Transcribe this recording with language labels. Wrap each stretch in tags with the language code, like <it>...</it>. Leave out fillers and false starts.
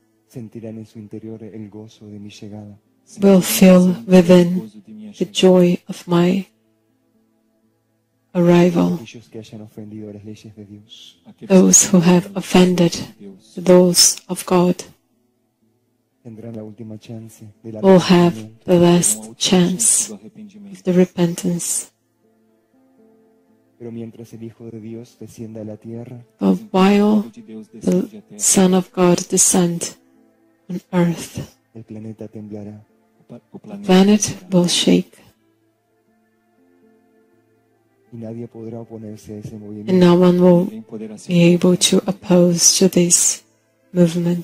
<es>sentirán en su interior el gozo de mi llegada,</es> <en>will feel within the joy of my arrival,</en> <es>aquellos que hayan ofendido las leyes de Dios,</es> <en>those who have offended the laws of God,</en> <es>tendrán la última chance de la</es> <en>will have the last chance of the repentance.</en> <es>Pero mientras el Hijo de Dios descienda a la tierra,</es> <en>but while the Son of God descend on earth,</en> <es>el planeta temblará.</es> <en>The planet will shake.</en> <es>Y nadie podrá oponerse a ese movimiento.</es> <en>And no one will be able to oppose to this movement.</en>